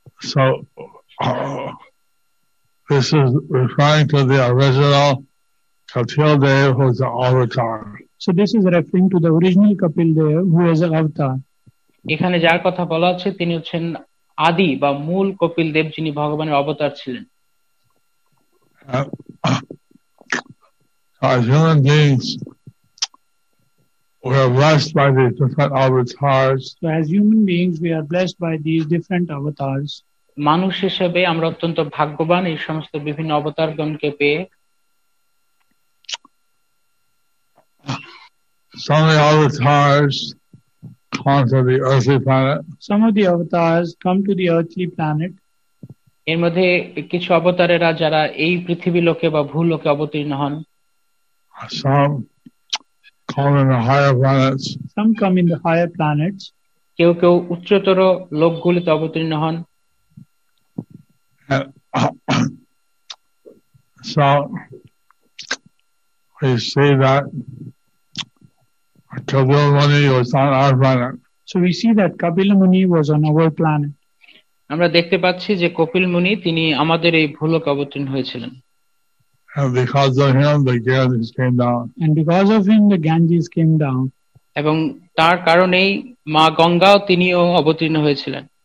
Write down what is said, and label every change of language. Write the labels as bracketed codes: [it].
[en] So, this is referring to the original Kapil Dev, who is the avatar. So this is referring to the original Kapil Dev, who is an avatar. [bn] এখানে যার কথা বলা হচ্ছে তিনি হচ্ছেন আদি বা মূল কপিল দেব যিনি ভগবানের অবতার ছিলেন। [en] As human beings, we are blessed by these different avatars. So as human beings, we are blessed by these different avatars. [bn] মানুষ হিসেবে আমরা অত্যন্ত ভাগ্যবান এই সমস্ত বিভিন্ন অবতারগণকে পেয়ে। [en] Some of the avatars come to the earthly planet. Some of the avatars come to the earthly planet. [bn] এর মধ্যে কিছু অবতারেরা যারা এই পৃথিবী লোকে বা ভূলোকে অবতীর্ণ হন। [en] Some come in the higher planets. Some come in the higher planets. [bn] কেউ কেউ উচ্চতর লোকগুলিতে অবতীর্ণ হন। [en] So we say that Kapil Muni was on our planet. So we see that Kapil Muni was on our planet. [bn] আমরা দেখতে পাচ্ছি যে কপিল মুনি তিনি আমাদের এই ভূলোকে অবতীর্ণ হয়েছিলেন। [en] And because of him, the Ganges came down. And because of him, the Ganges came down. [bn] এবং তার কারণেই মা গঙ্গাও তিনিও অবতীর্ণ হয়েছিলেন।